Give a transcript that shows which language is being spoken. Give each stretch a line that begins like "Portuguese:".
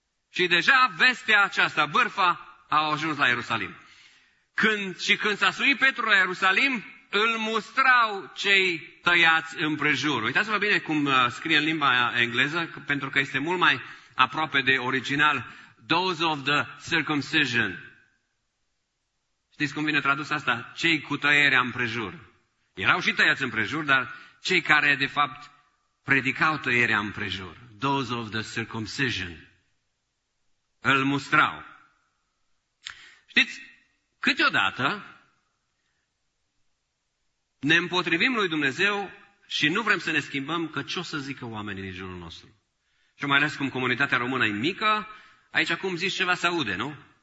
Romanian: Și deja vestea aceasta, bârfa, a ajuns la Ierusalim. Când s-a suit Petru la Ierusalim, îl mustrau cei tăiați împrejur. Uitați-vă bine cum scrie în limba engleză, pentru că este mult mai aproape de original.
English: Those of the circumcision.
Romanian: Știți cum vine tradus asta? Cei cu tăierea împrejur. Erau și tăiați împrejur, dar cei care, de fapt, predicau tăierea împrejur.
English: Those of the circumcision.
Romanian: Îl mustrau. Știți, câteodată ne împotrivim lui Dumnezeu și nu vrem să ne schimbăm că ce o să zică oamenii din jurul nostru. Și mai ales cum comunitatea română e mică, aici acum zici ceva se aude, nu?